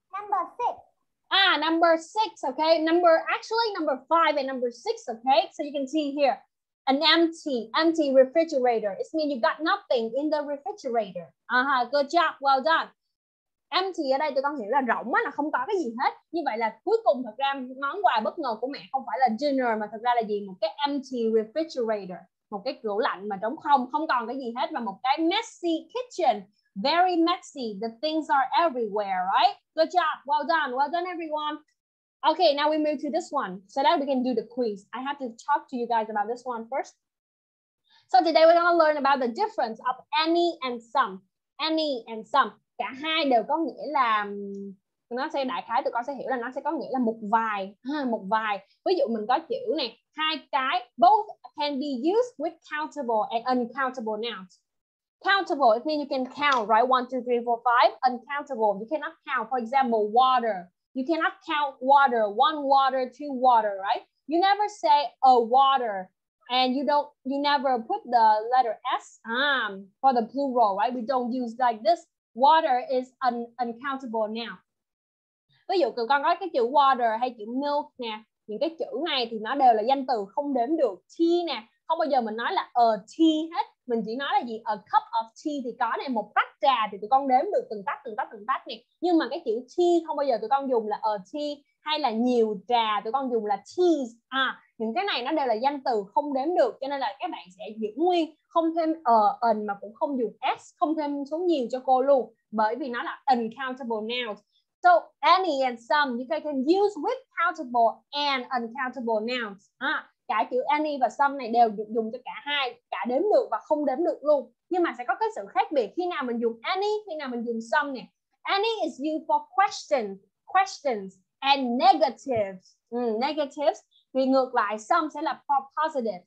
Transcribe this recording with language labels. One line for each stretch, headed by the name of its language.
English: Number six. Number six, okay. Number five and number six, okay. So you can see here, an empty refrigerator. It means you got nothing in the refrigerator. Good job, well done.
Vietnamese: Empty ở đây tôi có hiểu là rỗng á, là không có cái gì hết. Như vậy là cuối cùng thật ra món quà bất ngờ của mẹ không phải là dinner mà thật ra là gì? Một cái
English: empty refrigerator,
Vietnamese: một cái cửa lạnh mà trống không, không còn cái gì hết, và một cái
English: messy kitchen. Very messy. The things are everywhere, right? Good job. Well done. Well done, everyone. Okay, now we move to this one so that we can do the quiz. I have to talk to you guys about this one first. So today we're going to learn about the difference of any and some. Any and some.
Vietnamese: Cả hai đều có nghĩa là... Nó sẽ đại khái, tụi con sẽ hiểu là nó sẽ có nghĩa là một vài. Một vài. Ví dụ mình có chữ này. Hai cái.
English: Both can be used with countable and uncountable nouns. Countable, it means you can count, right? 1, 2, 3, 4, 5. Uncountable, you cannot count. For example, water. You cannot count water. 1 water, 2 water, right? You never say a water. And you never put the letter S for the plural, right? We don't use like this. Water is an uncountable noun.
Vietnamese: Ví dụ, tụi con có cái chữ water hay chữ milk nè. Những cái chữ này thì nó đều là danh từ không đếm được. Tea nè. Không bao giờ mình nói là a tea hết. Mình chỉ nói là gì?
English: A cup of tea
Vietnamese: thì có này, một tách trà thì tụi con đếm được từng tách này. Nhưng mà cái chữ tea không bao giờ tụi con dùng là a tea, hay là nhiều trà tụi con dùng là teas. Những cái này nó đều là danh từ không đếm được, cho nên là các bạn sẽ giữ nguyên, không thêm an mà cũng không dùng s, không thêm số nhiều cho cô luôn, bởi vì nó là uncountable nouns.
English: So any and some you can use with countable and uncountable nouns.
Vietnamese: Cả chữ any và some này đều được dùng cho cả hai, cả đếm được và không đếm được luôn. Nhưng mà sẽ có cái sự khác biệt khi nào mình dùng any, khi nào mình dùng some nè.
English: Any is used for questions and negatives.
Vietnamese: Negatives thì ngược lại, some sẽ là
English: for positive.